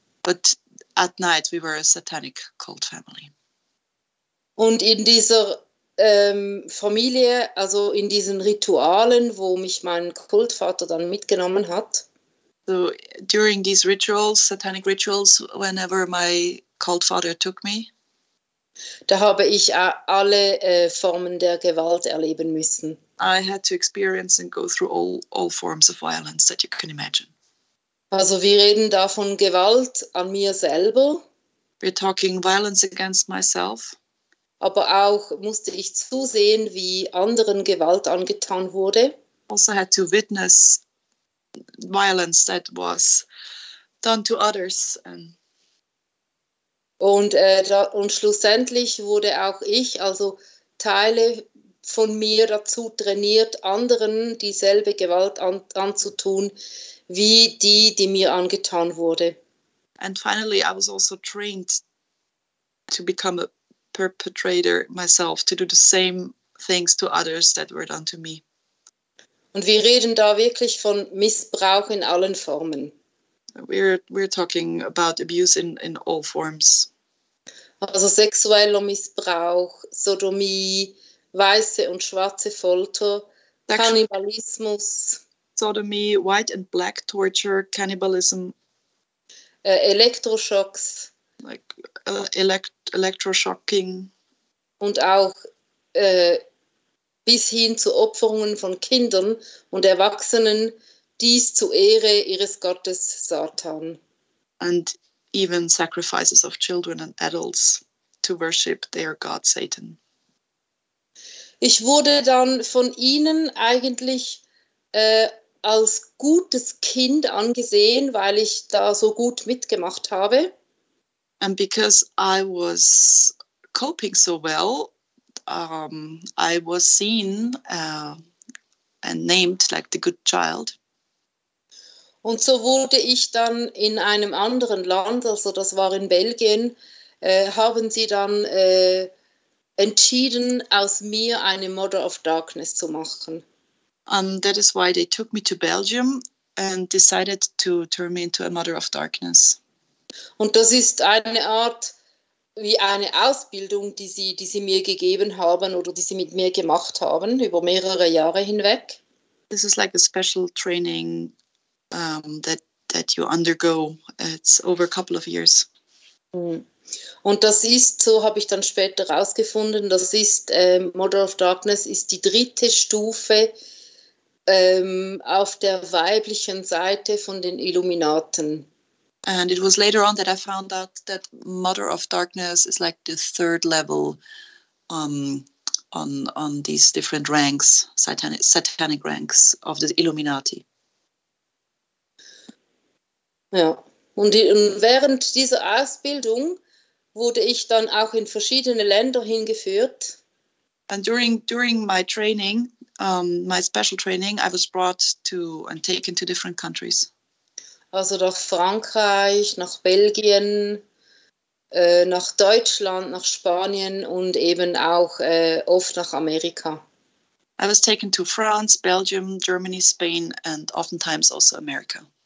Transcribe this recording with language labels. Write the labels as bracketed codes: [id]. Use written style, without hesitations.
[en] But at night we were a satanic cult family. [de] Und in dieser Familie, also in diesen Ritualen, wo mich mein Kultvater dann mitgenommen hat. [en] So during these rituals, satanic rituals, whenever my cult father took me. [de] Da habe ich alle Formen der Gewalt erleben müssen. [en] I had to experience and go through all forms of violence that you can imagine. [de] Also wir reden da von Gewalt an mir selber. [en] We're talking violence against myself. [de] Aber auch musste ich zusehen, wie anderen Gewalt angetan wurde. [en] Also had to witness violence that was done to others. [de] Und schlussendlich wurde auch ich, also Teile von mir dazu trainiert, anderen dieselbe Gewalt anzutun, wie die mir angetan wurde. [en] And finally I was also trained to become a perpetrator myself, to do the same things to others that were done to me. [de] Und wir reden da wirklich von Missbrauch in allen Formen. [en] We're talking about abuse in all forms. [de] Also sexueller Missbrauch, Sodomie, weiße und schwarze Folter, Kannibalismus. [en] Sodomy, white and black torture, cannibalism. [de] Elektroschocks. [en] Like electroshocking. [de] Und auch bis hin zu Opferungen von Kindern und Erwachsenen, dies zu Ehre ihres Gottes Satan. [en] And even sacrifices of children and adults to worship their god Satan. [de] Ich wurde dann von ihnen eigentlich als gutes Kind angesehen, weil ich da so gut mitgemacht habe. [en] And because I was coping so well, I was seen and named like the good child. [de] Und so wurde ich dann in einem anderen Land, also das war in Belgien, haben sie dann entschieden, aus mir eine Mother of Darkness zu machen. [en] And that is why they took me to Belgium and decided to turn me into a Mother of Darkness. [de] Und das ist eine Art wie eine Ausbildung, die sie mir gegeben haben oder die sie mit mir gemacht haben über mehrere Jahre hinweg. [en] This is like a special training that you undergo. It's over a couple of years. [de] Und das ist, so habe ich dann später herausgefunden, das ist Mother of Darkness ist die dritte Stufe auf der weiblichen Seite von den Illuminaten. [en] And it was later on that I found out that Mother of Darkness is like the third level on these different ranks, satanic ranks of the Illuminati. [de] Ja, und während dieser Ausbildung wurde ich dann auch in verschiedene Länder hingeführt. [en] And during my training, my special training, I was brought to and taken to different countries. [de] Also nach Frankreich, nach Belgien, nach Deutschland, nach Spanien und eben auch oft nach Amerika. [en] I was taken to France, Belgium, Germany, Spain and oftentimes also America.